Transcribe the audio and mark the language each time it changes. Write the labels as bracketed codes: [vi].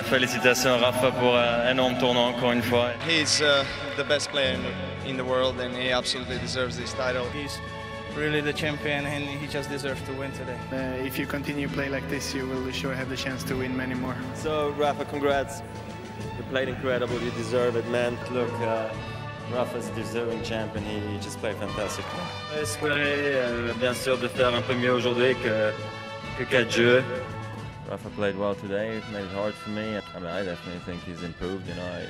[fr] Félicitations Rafa pour un énorme tournoi encore une fois. [en] He's the best player in the world and he absolutely deserves this title. He's really the champion and he just deserves to win today. If you continue play like this, you will sure have the chance to win many more. So Rafa, congrats. You played incredible, you deserve it, man. Look, Rafa's deserving champion, he just played fantastically. [fr] J'espère bien sûr de faire un peu mieux aujourd'hui que 4 jeux. [en] Rafa played well today, it made it hard for me. I mean, I definitely think he's improved, you know.